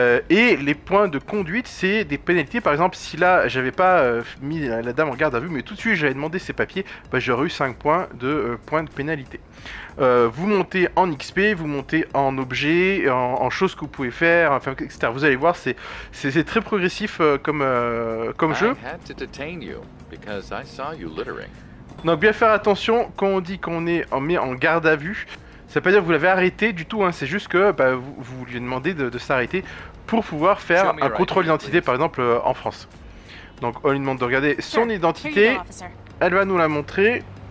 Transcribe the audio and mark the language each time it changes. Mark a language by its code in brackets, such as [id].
[fr] Et les points de conduite, c'est des pénalités. Par exemple, si là, j'avais pas mis la dame en garde à vue, mais tout de suite, j'avais demandé ses papiers, bah, j'aurais eu 5 points de points de pénalité. Vous montez en XP, vous montez en objets, en choses que vous pouvez faire, enfin, etc. Vous allez voir, c'est très progressif comme jeu. [en] I had to detain you because I saw you littering. [fr] Donc bien faire attention quand on dit qu'on est mis en garde à vue. Ça veut pas dire que vous l'avez arrêté du tout, hein. C'est juste que bah, vous lui demandez de s'arrêter pour pouvoir faire un contrôle d'identité, par exemple en France. Donc on lui demande de regarder son identité. Elle va nous la montrer.